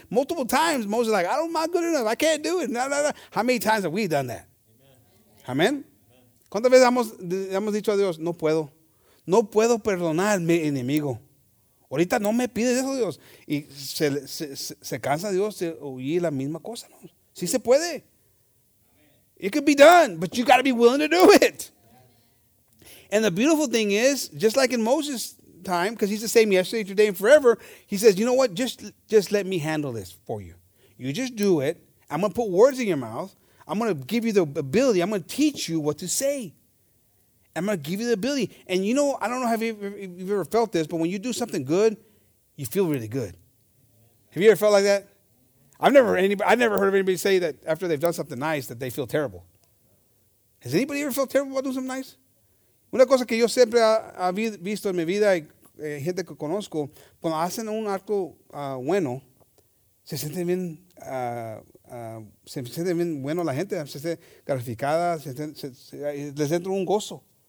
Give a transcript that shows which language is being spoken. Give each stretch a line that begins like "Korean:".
English: Multiple times, Moses is like, I'm not good enough. I can't do it. No, no, no. How many times have we done that? Amen.
Spanish: ¿Cuántas veces hemos dicho a Dios, no puedo? No puedo perdonar a mi enemigo. Ahorita no me pides eso, Dios. Y se cansa Dios de oír la misma cosa. ¿No? Sí se puede.
English: It could be done, but you got to be willing to do it. And the beautiful thing is, just like in Moses' time, because he's the same yesterday, today, and forever, he says, you know what, just let me handle this for you. You just do it. I'm going to put words in your mouth. I'm going to give you the ability. I'm going to teach you what to say. I'm going to give you the ability. And you know, I don't know if you've ever felt this, but when you do something good, you feel really good. Have you ever felt like that? I've never heard of anybody say that after they've done something nice that they feel terrible. Has anybody ever felt terrible about doing something nice?
Spanish: Una cosa que yo siempre he visto en mi vida y gente que conozco, cuando hacen un acto bueno, se sienten bien, se sienten bien bueno la gente, se sienten gratificadas, les entra un gozo.